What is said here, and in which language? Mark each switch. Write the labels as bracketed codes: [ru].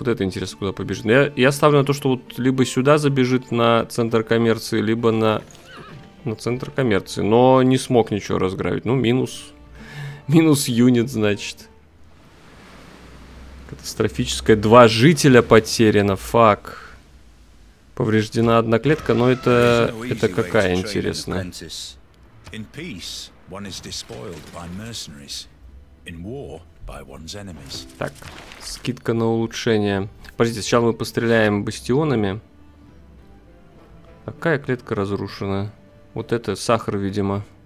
[ru] Вот это интересно, куда побежит. Я ставлю на то, что вот либо сюда забежит на центр коммерции, либо на центр коммерции. Но не смог ничего разграбить. Ну, минус. Минус юнит, значит. Катастрофическое. Два жителя потеряно. Фак. Повреждена одна клетка. Но это какая, интересно. [en] In peace, one is despoiled by mercenaries. In war, by one's enemies. [ru] Так, скидка на улучшение. Подождите, сначала мы постреляем бастионами. Какая клетка разрушена? Вот это сахар, видимо.